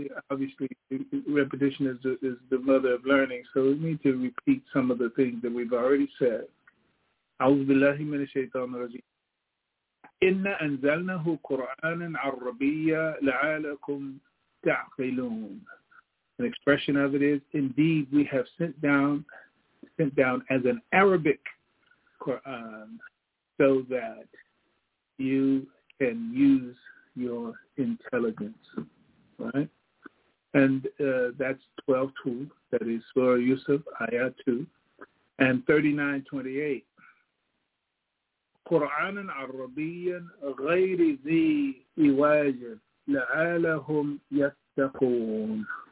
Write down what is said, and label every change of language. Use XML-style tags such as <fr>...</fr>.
<en>Obviously repetition is the mother of learning. So we need to repeat some of the things that we've already said.</en> <ar>أعوذ بالله من الشيطان الرجيم. إن أنزلناه قرآنا عربيا لعلكم تعقلون.</ar> <en>An expression of it is, indeed, we have sent down as an Arabic Quran so that you can use your intelligence, right? And that's 12:2, that is Surah Yusuf, Ayah 2, and 39:28.</en> <ar>Quran Arabiyan غير ذي إيواج لعلهم يتقون.</ar>